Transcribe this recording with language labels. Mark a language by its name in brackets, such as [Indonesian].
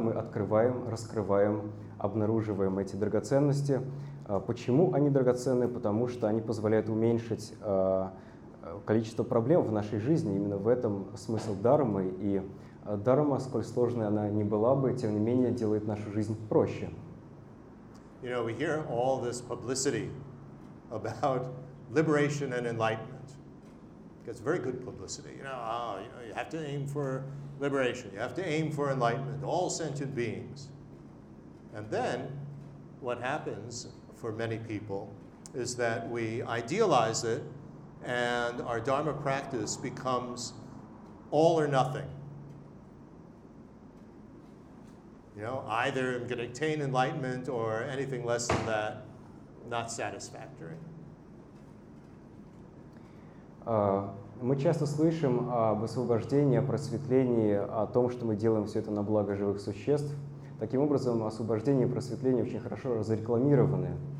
[Russian] Мы открываем, раскрываем, обнаруживаем эти драгоценности. Почему они драгоценны? Потому что они позволяют уменьшить количество проблем в нашей жизни. Именно в этом смысл дармы. И дарма, сколь сложной она ни была бы, тем не менее, делает нашу жизнь проще. [English] You know, we hear all this publicity about liberation and enlightenment. It's very good publicity. You know, you have to aim for liberation. You have to aim for enlightenment, all sentient beings. And then what happens for many people is that we idealize it and our Dharma practice becomes all or nothing. You know, either I'm going to attain enlightenment or anything less than that, not satisfactory. [Russian] Мы часто слышим об освобождении, о просветлении, о том, что мы делаем все это на благо живых существ. Таким образом, освобождение и просветление очень хорошо разрекламированы.